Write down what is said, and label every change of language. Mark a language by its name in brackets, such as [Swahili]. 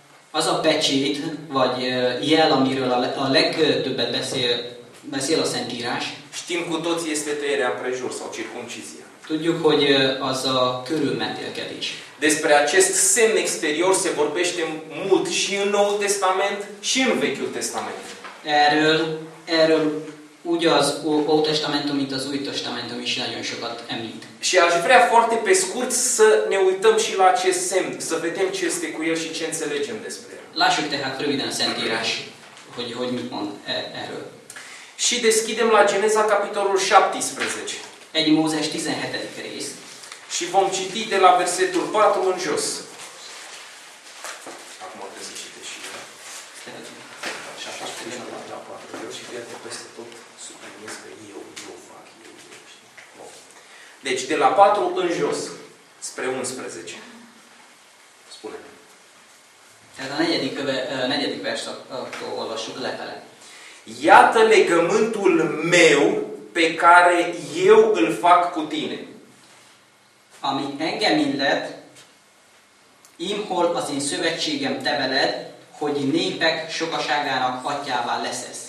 [Hungarian] az a pecét, vagy jel, amiről a legtöbbet beszél a Szentírás, [Romanian] știm cu toții este tăierea împrejur sau circumcizia. [Hungarian] Tudjuk, hogy az a körülmetélkedés. [Romanian] Despre acest semn exterior se vorbește mult și în Noul Testament, și în Vechiul Testament. [Hungarian] Erről ugye az Old Testamentum, mint az Új Testamentum is nagyon sokat említ. [Romanian] Și aș vrea foarte pe scurt să ne uităm și la acest semn, să vedem ce este cu el și ce înțelegem despre el. [Hungarian] Lássuk tehát röviden Szentírás, hogy mit mond erről. [Romanian] Și deschidem la Geneza capitolul 17. [Hungarian] Egy Mózes 17. rész. [Romanian] Și vom citi de la versetul 4 în jos. Acum trebuie să citești și eu. Așa, trebuie să citești la 4 în jos și de peste tot subliniez că eu fac, eu știu. Deci, de la 4 în jos, spre 11. Spune. [Hungarian] Tehát a negyedik versetől olvassuk lefele. [Romanian] Iată legământul meu pe care eu îl fac cu tine. [Hungarian] Ami engem illet, imhol az én szövetségem te veled, hogy népek sokaságának atyává leszesz.